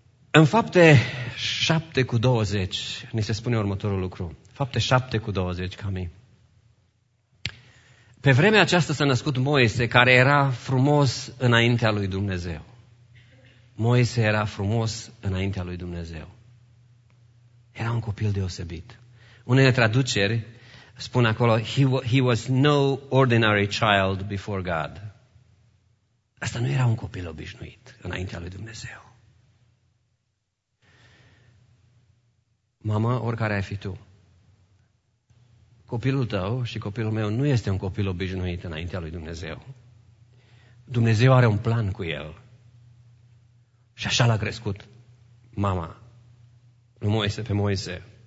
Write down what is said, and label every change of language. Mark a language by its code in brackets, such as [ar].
[ro] În Fapte 7 cu 20, ni se spune următorul lucru. Fapte 7 cu 20, Cami. Pe vremea aceasta s-a născut Moise, care era frumos înaintea lui Dumnezeu. Moise era frumos înaintea lui Dumnezeu. Era un copil deosebit. Unele traduceri spun acolo, [en] he was no ordinary child before God. [ro] Asta nu era un copil obișnuit înaintea lui Dumnezeu. Mama, oricare ai fi tu, copilul tău și copilul meu nu este un copil obișnuit înaintea lui Dumnezeu. Dumnezeu are un plan cu el. Și așa l-a crescut mama, Moise pe Moise.